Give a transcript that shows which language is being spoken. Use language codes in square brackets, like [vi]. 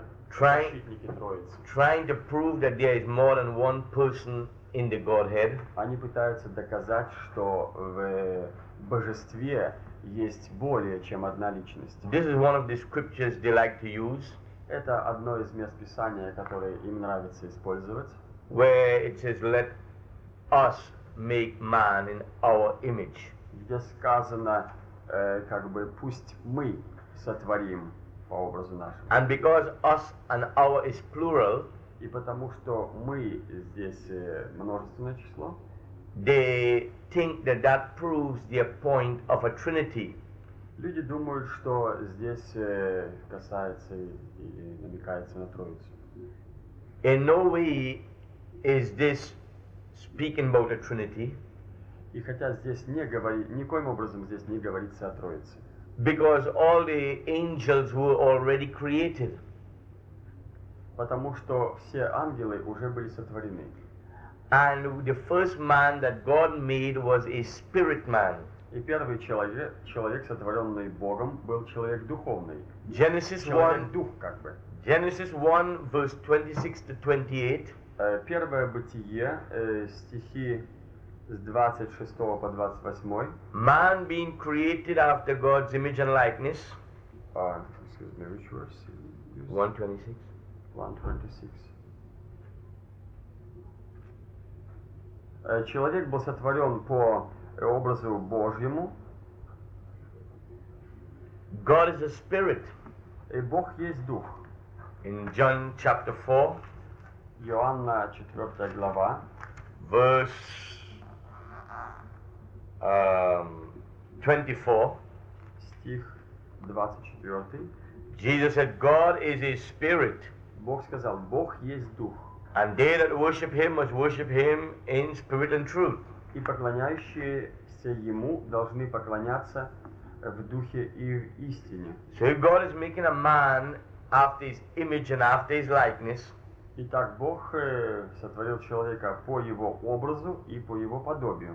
[en] trying to prove that there is more than one person in the Godhead. [ru] Они пытаются доказать, что в божестве есть более, чем одна личность. [en] This is one of the scriptures they like to use. [ru] Это одно из мест Писания, которое им нравится использовать. [en] Where it says, "Let us make man in our image." [ru] Где сказано, как бы, пусть мы сотворим по образу нашему. [en] And because us and our is plural, [ru] и потому что мы здесь множественное число, [en] they think that that proves their point of a trinity. [ru] Люди думают, что здесь касается или намекается на Троицу. [en] In no way is this speaking about a trinity. [ru] И хотя здесь не говори, никоим образом здесь не говорится о Троице. [en] Because all the angels were already created. [ru] Потому что все ангелы уже были сотворены. [en] And the first man that God made was a spirit man. [ru] И первый человек, сотворенный Богом, был человек духовный. [en] Genesis [ru] 1, дух, как бы. [en] Genesis 1, verse 26-28. [ru] Первое бытие, стихи с 26 по 28. [en] Man being created after God's image and likeness. Excuse me, which verse? 126. [ru] Человек был сотворен по образу Божьему. [en] God is a spirit. [ru] И Бог есть дух. [en] In John chapter 4. [ru] Иоанна 4 глава. [en] Verse 24. [ru] Стих 24. [en] Jesus said, God is a spirit. [ru] Бог сказал, Бог есть дух. [en] And they that worship him must worship him in spirit and truth. [ru] И поклоняющиеся ему должны поклоняться в духе и в истине. [en] So if God is making a man after his image and after his likeness. [ru] Итак, Бог сотворил человека по его образу и по его подобию.